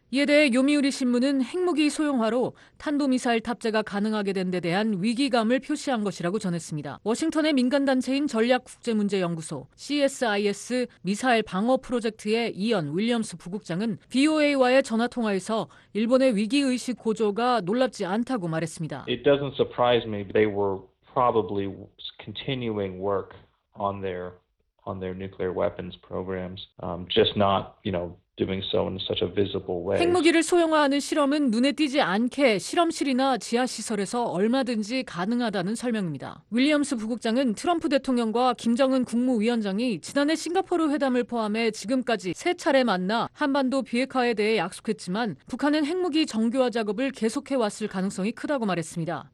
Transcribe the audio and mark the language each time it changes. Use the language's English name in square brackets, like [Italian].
[Korean] 이에 대해 요미우리 신문은 핵무기 소형화로 탄도미사일 탑재가 가능하게 된 데 대한 위기감을 표시한 것이라고 전했습니다. 워싱턴의 민간단체인 전략국제문제연구소 CSIS 미사일 방어 프로젝트의 이언 윌리엄스 부국장은 VOA와의 전화통화에서 일본의 위기의식 고조가 놀랍지 않다고 말했습니다. [English] It doesn't surprise me. They were probably continuing work on their nuclear weapons programs. Just not, you know, doing so in such a visible way. [Korean] 핵무기를 소형화하는 실험은 눈에 띄지 않게 실험실이나 지하시설에서 얼마든지 가능하다는 설명입니다. 윌리엄스 부국장은 트럼프 대통령과 김정은 국무위원장이 지난해 싱가포르 회담을 포함해 지금까지 세 차례 만나 한반도 비핵화에 대해 약속했지만 북한은 핵무기 정교화 작업을 계속해왔을 가능성이 크다고 말했습니다.